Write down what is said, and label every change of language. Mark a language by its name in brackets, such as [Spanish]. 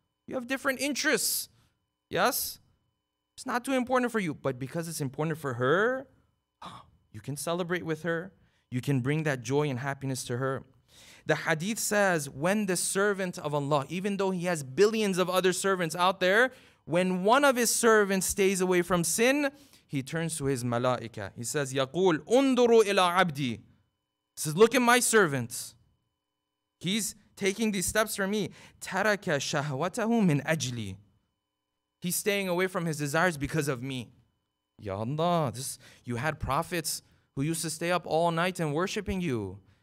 [English] You have different interests, yes? It's not too important for you, but because it's important for her, you can celebrate with her. You can bring that joy and happiness to her. The hadith says, when the servant of Allah, even though he has billions of other servants out there, when one of his servants stays away from sin, he turns to his malaika. He says, [Arabic] يَقُولْ أُنْدُرُوا إِلَىٰ عَبْدِي. [English] He says, look at my servant. He's taking these steps for me. [Arabic] تَرَكَ شَهْوَتَهُ مِنْ أَجْلِي. [English] He's staying away from his desires because of me. Ya Allah, you had prophets who used to stay up all night and worshiping you.